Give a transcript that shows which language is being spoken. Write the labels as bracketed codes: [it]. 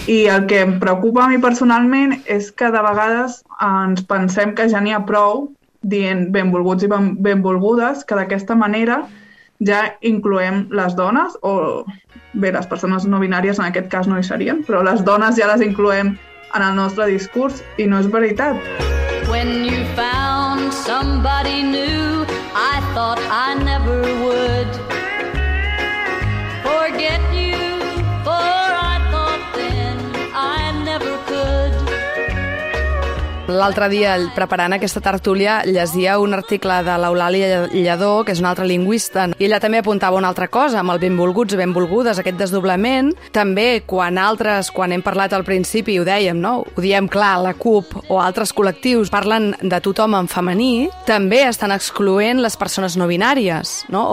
[ca] I el que em preocupa a mi personalment és que de vegades ens pensem que ja n'hi ha prou dient benvolguts i benvolgudes, que d'aquesta manera ja incloem les dones, o bé, les persones no binàries en aquest cas no hi serien, però les dones ja les incloem en el nostre discurs, i no és veritat. [en] When you found somebody new, I thought I never would forget you, for I thought then I never could. [ca] L'altre dia, preparant aquesta tertúlia, llegia un article de l'Eulàlia Lladó, que és una altra lingüista, i ella també apuntava una altra cosa, amb el benvolguts i benvolgudes, aquest desdoblament. També, quan altres, quan hem parlat al principi, ho dèiem, no? Ho diem clar, la CUP o altres col·lectius parlen de tothom en femení, també estan excloent les persones no binàries, no?